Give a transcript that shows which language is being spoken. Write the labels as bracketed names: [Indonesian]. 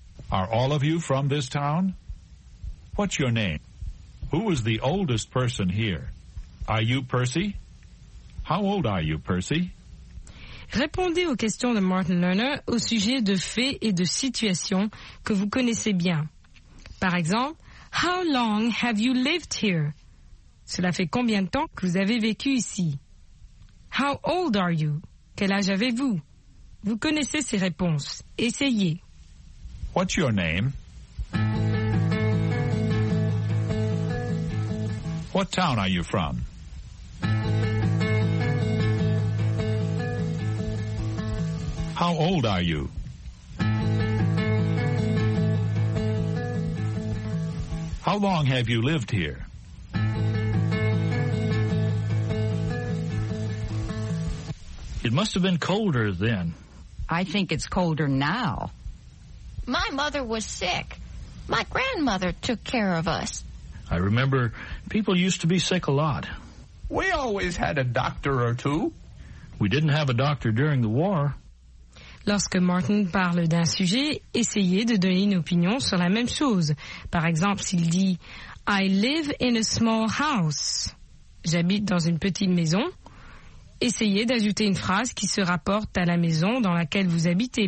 [English] Are all of you from this town? What's your name? Who is the oldest person here? Are you Percy? How old are you, Percy? [French] Répondez aux questions de Martin Lerner au sujet de faits et de situations que vous connaissez bien. Par exemple, [English] How long have you lived here? [French] Cela fait combien de temps que vous avez vécu ici? [English] How old are you? [French] Quel âge avez-vous? Vous connaissez ces réponses. Essayez. [English] What's your name? What town are you from? How old are you? How long have you lived here? It must have been colder then. I think it's colder now. My mother was sick. My grandmother took care of us. I remember people used to be sick a lot. We always had a doctor or two. We didn't have a doctor during the war. [French] Lorsque Martin parle d'un sujet, essayez de donner une opinion sur la même chose. Par exemple, s'il dit, [English] I live in a small house. [French] J'habite dans une petite maison. Essayez d'ajouter une phrase qui se rapporte à la maison dans laquelle vous habitez.